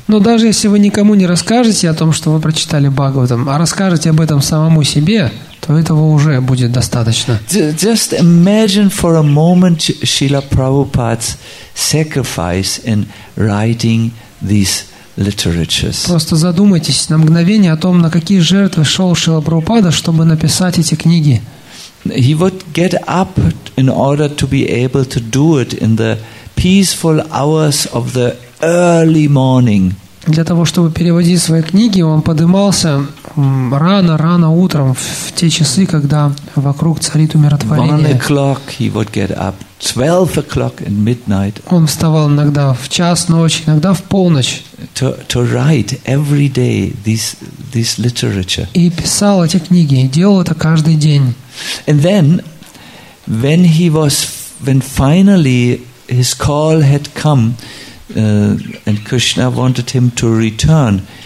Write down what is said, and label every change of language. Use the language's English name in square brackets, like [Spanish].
[Russian] Но даже если вы никому не расскажете о том, что вы прочитали Бхагаватам, а расскажете об этом самому себе, то этого уже будет достаточно. [English] Just imagine for a moment Srila Prabhupada's sacrifice in writing these literatures. [Russian] Просто задумайтесь на мгновение о том, на какие жертвы шел Шрила Прабхупада, чтобы написать эти книги. [English] He would get up in order to be able to do it in the peaceful hours of the early morning. [Russian] Для того, чтобы переводить свои книги, он поднимался рано-рано утром, в те часы, когда вокруг царит умиротворение. [English] 1 o'clock he would get up, 12 o'clock in midnight. [Russian] Он вставал иногда в час ночи, иногда в полночь. [English] To write every day this literature. [Russian] И писал эти книги, и делал это каждый день. [English] And then, when finally his call had come, and Krishna wanted him to return.